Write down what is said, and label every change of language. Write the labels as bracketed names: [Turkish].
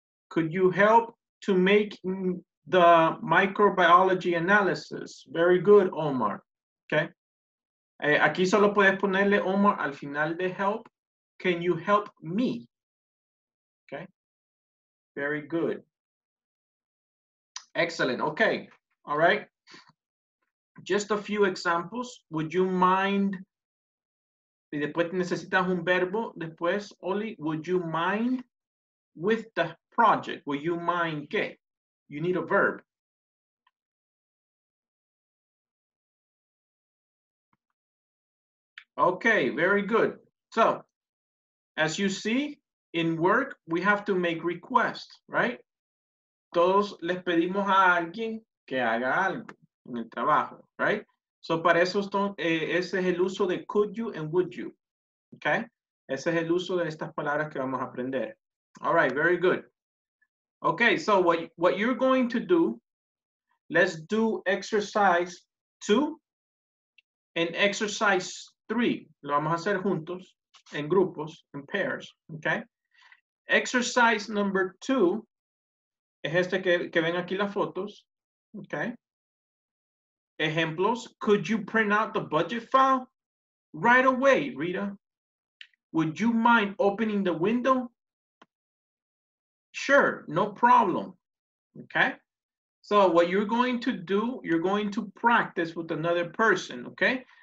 [English] Could you help to make the microbiology analysis? Very good, Omar. Okay. [Spanish] Aquí solo puedes ponerle Omar al final de help. [English] Can you help me? Okay. Very good. Excellent. Okay. All right. Just a few examples. Would you mind? [Spanish] Y después necesitas un verbo. [English] Después, Oli, would you mind with the project? Would you mind qué? You need a verb. Okay, very good. So, as you see, in work, we have to make requests, right? [Spanish] Todos les pedimos a alguien que haga algo en el trabajo, right? So, para eso, ese es el uso de could you and would you, okay? Ese es el uso de estas palabras que vamos a aprender. [English] All right, very good. Okay, so what you're going to do, let's do exercise 2 and exercise 3. [Spanish] Lo vamos a hacer juntos, en grupos, en pairs, okay? Exercise number 2 es este que ven aquí las fotos, okay? [English] Ejemplos, could you print out the budget file right away, Rita? Would you mind opening the window? Sure, no problem, okay? So what you're going to do, you're going to practice with another person, okay?